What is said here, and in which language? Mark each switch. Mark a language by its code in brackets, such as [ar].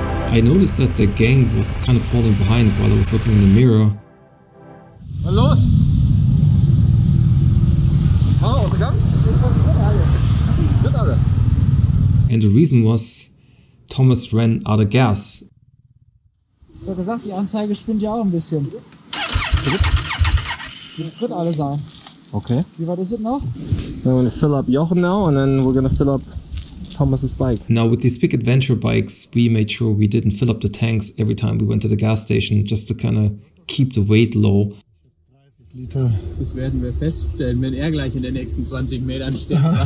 [en] I noticed that the gang was kind of falling behind while I was looking in the mirror. [de] Was los? [en] And the reason was Thomas ran out of gas. [de] Ich hab gesagt, die Anzeige spinnt ja auch ein bisschen. Die Sprit alle sein. Okay. Wie weit ist es noch? [en] We're gonna fill up Jochen now and then we're gonna fill up Thomas's bike. Now with these big adventure bikes, we made sure we didn't fill up the tanks every time we went to the gas station, just to kind of keep the weight low. [de] 30 Liter. Das werden wir feststellen, wenn gleich in den nächsten 20 Metern steht.